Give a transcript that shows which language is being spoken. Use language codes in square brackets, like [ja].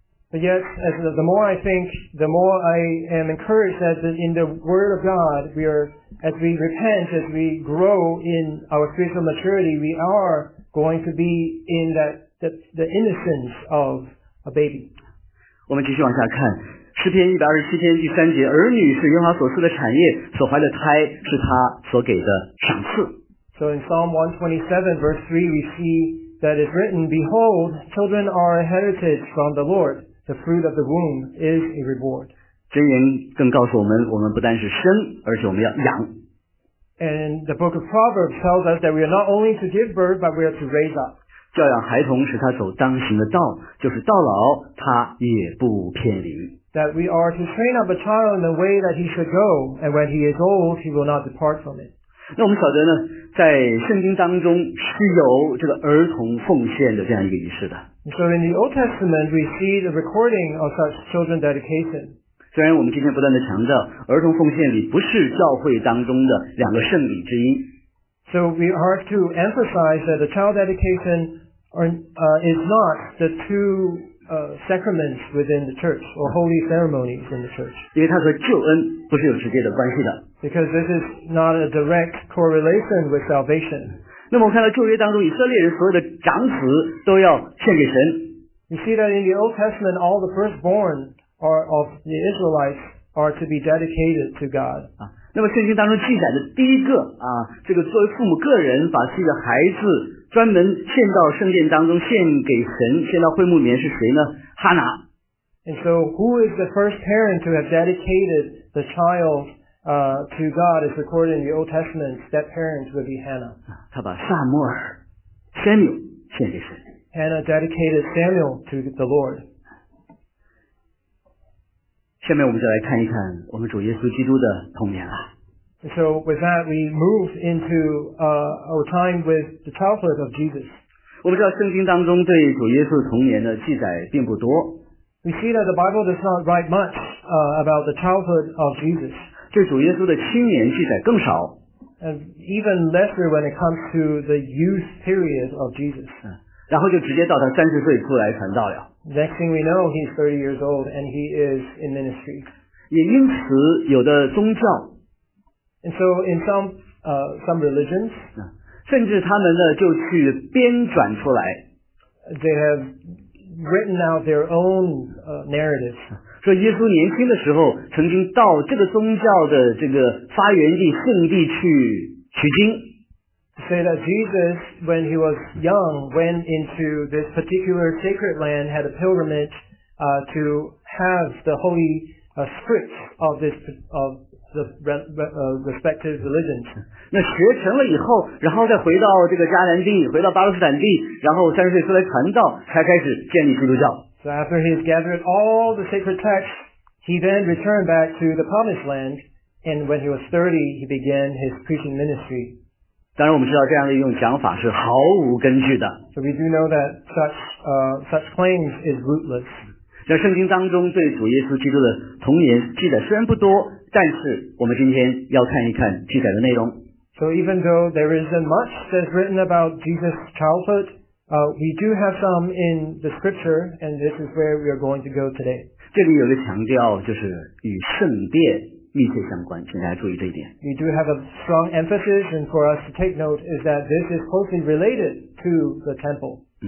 [en] But yet, as the more I think, the more I am encouraged that in the Word of God, we are as we repent, as we grow in our spiritual maturity, we are. Going to be in the innocence of a baby. [zh] 我们继续往下看诗篇127篇第三节，儿女是耶和华所赐的产业，所怀的胎是他所给的赏赐。 [en] So in Psalm 127 verse 3 we see that it's written, Behold, children are a heritage from the Lord. The fruit of the womb is a reward. [zh] 箴言更告诉我们，我们不单是生，而且我们要养。 [en] And the book of Proverbs tells us that we are not only to give birth, but we are to raise up. [zh] 教养孩童使他走当行的道，就是到老他也不偏离。 [en] That we are to train up a child in the way that he should go, and when he is old, he will not depart from it. [zh] 那我们晓得呢，在圣经当中是有这个儿童奉献的这样一个仪式的。 [en] So in the Old Testament, we see the recording of such children dedication. [zh] 虽然我们今天不断地强调儿童奉献礼不是教会当中的两个圣礼之一。 [en] So we are to emphasize that the child dedication is not the two sacraments within the church or holy ceremonies in the church. [zh] 因为它和救恩不是有直接的关系的。 [en] Because this is not a direct correlation with salvation. [zh] 那么我们看到旧约当中以色列人所有的长子都要献给神。 [en] You see that in the Old Testament all the firstborn are of the Israelites are to be dedicated to God. [zh] 那么圣经当中记载的第一个啊，这个作为父母个人把自己的孩子专门献到圣殿当中献给神，献到会幕里面是谁呢？哈拿。 [en] And so, who is the first parent to have dedicated the child, to God? Is recorded in the Old Testament that parent would be Hannah. [zh] 他把撒母耳 Samuel 献给神。 [en] Hannah dedicated Samuel to the Lord. [zh] 下面我们就来看一看我们主耶稣基督的童年了。 [en] So with that, we move into our time with the childhood of Jesus. [zh] 我们知道圣经当中对主耶稣童年的记载并不多。 [en] We see that the Bible does not write much about the childhood of Jesus. [zh] 对主耶稣的青年记载更少。 [en] And even lesser when it comes to the youth period of Jesus. [zh] 然后就直接到他30岁出来传道了。 [en] Next thing we know, he's 30 years old and he is in ministry. [zh] 也因此有的宗教 [en] And so in some religions, [zh] 甚至他们呢就去编撰出来 [en] they have written out their own narratives. [zh] 说耶稣年轻的时候曾经到这个宗教的这个发源地圣地去取经 [en] say that Jesus, when he was young, went into this particular sacred land, had a pilgrimage to have the holy scripts of this ofthe respective religions. [zh] 那学成了以后然后再回到这个迦南地回到巴勒斯坦地然后30岁出来传道才开始建立基督教。 [en] So after he has gathered all the sacred texts, he then returned back to the promised land, and when he was 30, he began his preaching ministry. [zh] 当然我们知道这样的一种讲法是毫无根据的。 [en] So we do know that such claims is rootless. [zh] 那圣经当中对主耶稣基督的童年记载虽然不多但是我们今天要看一看记载的内容。 [en] So even though there isn't much that's written about Jesus' childhood, we do have some in the scripture, and this is where we are going to go today. [zh] 这里有个强调就是与圣殿密切相关，请大家注意这一点。 [en] We do have a strong emphasis, and for us to take note is that this is closely related to the temple.